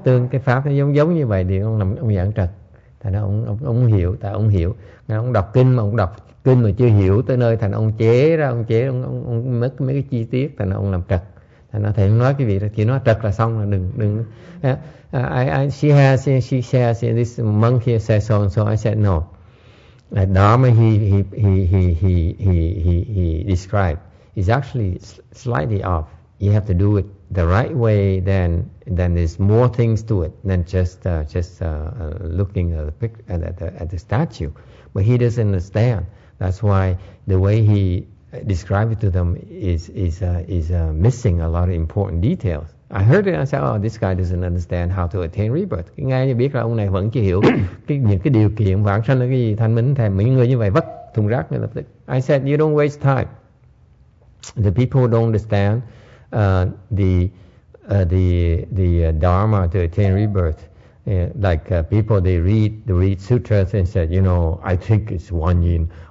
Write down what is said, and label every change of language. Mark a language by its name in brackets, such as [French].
[Vietnamese] Cái pháp nó giống như vậy, thì ông giảng trật. Thầy nói ông hiểu, tại ông hiểu. Ngài ông đọc kinh, mà ông đọc kinh mà chưa hiểu tới nơi, thành ông chế ra, ông mất mấy cái chi tiết, thành ông làm trật. Thầy nói cái vị đó, chỉ nói trật là xong là đừng. [English] She says this monk here says so and so. I said no. That dharma he described is actually slightly off. You have to do it the right way. Then there's more things to it than just looking at the picture at the statue. But he doesn't understand. That's why the way he describe it to them is missing a lot of important details. I heard it. I said, "Oh, this guy doesn't understand how to attain rebirth." [Vietnamese] Ngay như biết là ông này vẫn chưa hiểu những cái điều kiện vãng sanh là cái gì. Thành minh thèm những người như vậy vất thùng rác ngay lập tức. [English] I said, "You don't waste time. The people don't understand the dharma to attain rebirth." People they read sutras and said, you know, I think it's one yin.